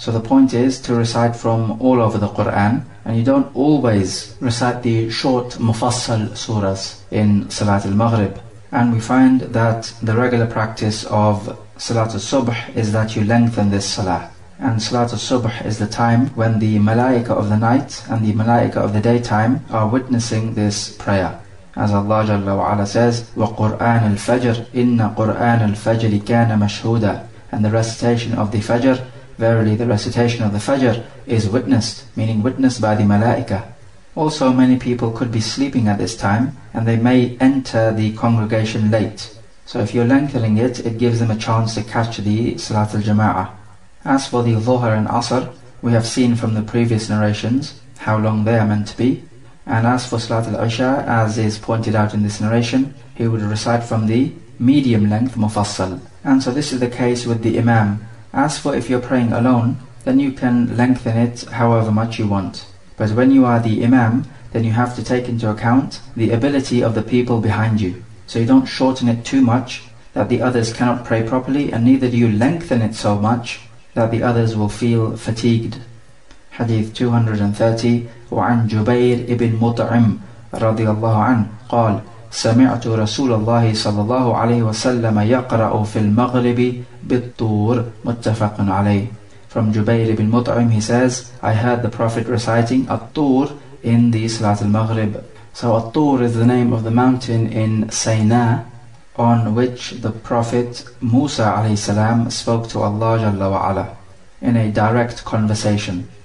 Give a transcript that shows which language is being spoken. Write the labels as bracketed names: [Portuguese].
[English] So the point is to recite from all over the Qur'an. And you don't always recite the short Mufassal surahs in Salat Al-Maghrib. And we find that the regular practice of Salat al-Subh is that you lengthen this Salah. And Salat al-Subh is the time when the Malaika of the night and the Malaika of the daytime are witnessing this prayer. As Allah Jalla wa Ala says, [Arabic] وَقُرْآنَ الْفَجْرِ إِنَّ قُرْآنَ الْفَجْرِ كَانَ مَشْهُودًا. [English] And the recitation of the Fajr, verily the recitation of the Fajr is witnessed, meaning witnessed by the Malaika. Also, many people could be sleeping at this time and they may enter the congregation late. So if you're lengthening it, it gives them a chance to catch the Salat al-Jama'ah. As for the Dhuhr and Asr, we have seen from the previous narrations how long they are meant to be. And as for Salat al-Isha, as is pointed out in this narration, he would recite from the medium length Mufassal. And so this is the case with the Imam. As for if you're praying alone, then you can lengthen it however much you want. But when you are the Imam, then you have to take into account the ability of the people behind you. So you don't shorten it too much that the others cannot pray properly, and neither do you lengthen it so much that the others will feel fatigued. Hadith 230. [Arabic] وعن جبير ابن مطعم رضي الله عنه قال سمعت رسول الله صلى الله عليه وسلم يقرأ في المغرب بالطور متفق عليه. [English] From Jubayr ibn Mut'im he says, I heard the Prophet reciting At-Tur in the Salat al-Maghrib. So At-Tur is the name of the mountain in Sayna on which the Prophet Musa alayhi salam spoke to Allah Jalla wa Ala in a direct conversation.